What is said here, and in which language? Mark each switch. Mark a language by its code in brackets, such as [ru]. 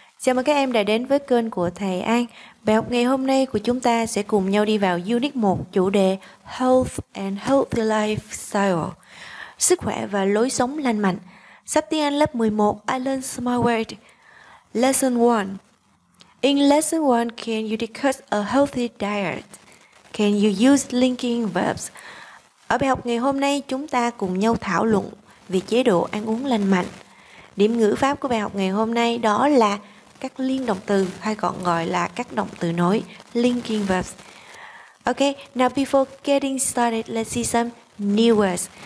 [vi] Chào mừng các em đã đến với kênh của thầy An. Bài học ngày hôm nay của chúng ta sẽ cùng nhau đi vào Unit 1, chủ đề [en] Health and Healthy Lifestyle, [vi] sức khỏe và lối sống lành mạnh. Sắp tiếng Anh lớp 11, [en] I learn small word. Lesson 1. In lesson 1, can you discuss a healthy diet? Can you use linking verbs? [vi] Ở bài học ngày hôm nay, chúng ta cùng nhau thảo luận về chế độ ăn uống lành mạnh. Điểm ngữ pháp của bài học ngày hôm nay đó là các liên động từ, hay còn gọi là các động từ nối, linking verbs. [en] Ok, now before getting started, let's see some new words.